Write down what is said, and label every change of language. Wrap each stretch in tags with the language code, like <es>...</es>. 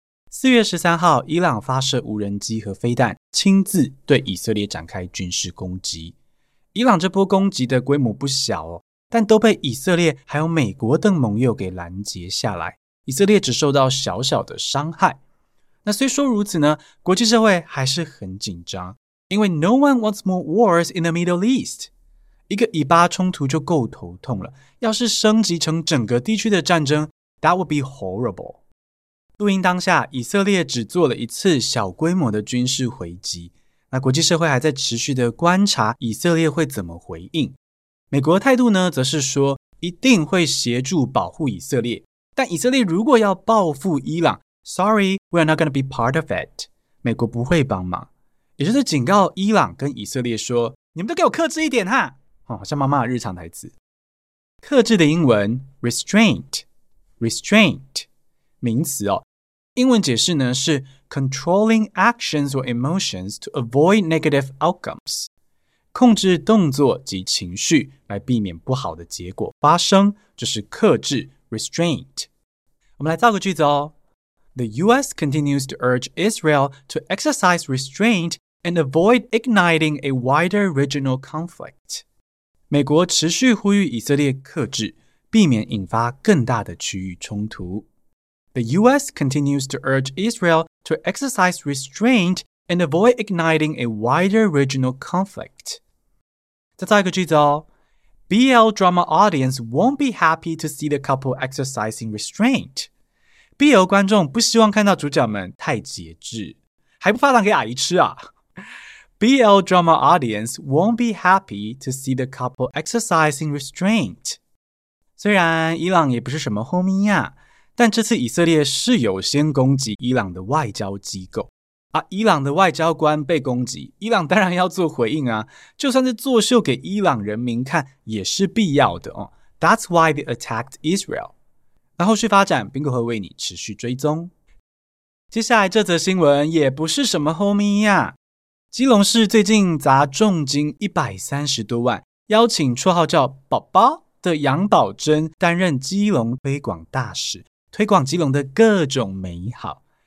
<zh>4月13号，伊朗发射无人机和飞弹，亲自对以色列展开军事攻击。伊朗这波攻击的规模不小哦，但都被以色列还有美国等盟友给拦截下来。以色列只受到小小的伤害。那虽说如此呢，国际社会还是很紧张，因为</zh> <en>no one wants more wars in the Middle East。</en> <zh>一个以巴冲突就够头痛了，要是升级成整个地区的战争 ，</zh> <en>that would be horrible。</en> <zh>录音当下，以色列只做了一次小规模的军事回击。那国际社会还在持续的观察以色列会怎么回应。美国的态度呢，则是说一定会协助保护以色列。但以色列如果要报复伊朗 ，</zh> <en>Sorry, we are not going to be part of it。</en> <zh>美国不会帮忙，也就是警告伊朗跟以色列说：“你们都给我克制一点哈。” 哦，像妈妈的日常台词。克制的英文 restraint， 名词哦。英文解释呢是</zh> <en>controlling actions or emotions to avoid negative outcomes，</en> <zh>控制动作及情绪来避免不好的结果发生，就是克制。 Restraint. 我们来造个句子哦。</zh> <en>The U.S. continues to urge Israel to exercise restraint and avoid igniting a wider regional conflict.</en> <zh>美国持续呼吁以色列克制，避免引发更大的区域冲突。</zh> <en>The U.S. continues to urge Israel to exercise restraint and avoid igniting a wider regional conflict.</en> <zh>再造一个句子哦。</zh> <en>BL drama audience won't be happy to see the couple exercising restraint.</en> <zh>BL 观众不希望看到主角们太节制，还不发糖给阿姨吃啊。</zh> <en>BL drama audience won't be happy to see the couple exercising restraint.</en> <zh>虽然伊朗也不是什么 homie 啊，但这次以色列是有先攻击伊朗的外交机构。啊，伊朗的外交官被攻击，伊朗当然要做回应啊，就算是作秀给伊朗人民看也是必要的哦。</zh> <en>That's why they attacked Israel。</en> <zh>那后续发展 Bingo 会为你持续追踪。接下来这则新闻也不是什么 homie 啊，基隆市最近砸重金130多万邀请绰号叫宝宝的杨宝珍担任基隆推广大使，推广基隆的各种美好。</zh>